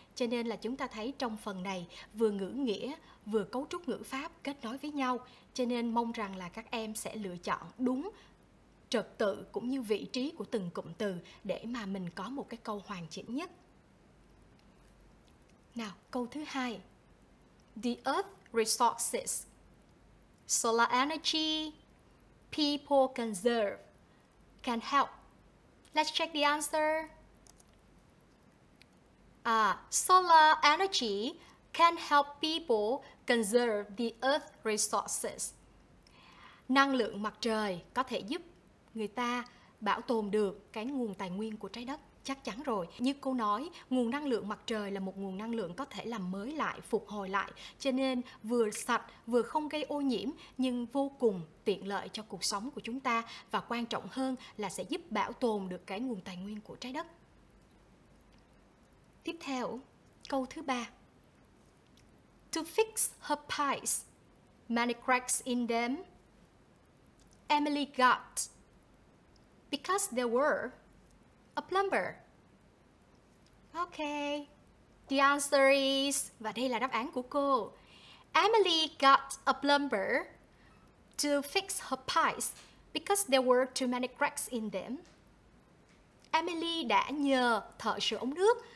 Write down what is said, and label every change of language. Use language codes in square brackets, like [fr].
[vi] Cho nên là chúng ta thấy trong phần này vừa ngữ nghĩa vừa cấu trúc ngữ pháp kết nối với nhau. Cho nên mong rằng là các em sẽ lựa chọn đúng trật tự cũng như vị trí của từng cụm từ để mà mình có một cái câu hoàn chỉnh nhất. Nào, câu thứ hai. [en] The earth resources, solar energy, people conserve, can help. Let's check the answer. Solar energy can help people conserve the earth resources. [vi] Năng lượng mặt trời có thể giúp người ta bảo tồn được cái nguồn tài nguyên của trái đất. Chắc chắn rồi. Như cô nói, nguồn năng lượng mặt trời là một nguồn năng lượng có thể làm mới lại, phục hồi lại. Cho nên vừa sạch, vừa không gây ô nhiễm, nhưng vô cùng tiện lợi cho cuộc sống của chúng ta. Và quan trọng hơn là sẽ giúp bảo tồn được cái nguồn tài nguyên của trái đất. Tiếp theo, câu thứ ba. [en] To fix her pipes, many cracks in them, Emily got, because there were a plumber. Okay. The answer is, [vi] và đây là đáp án của cô. [en] Emily got a plumber to fix her pipes because there were too many cracks in them. [vi] Emily đã nhờ thợ sửa ống nước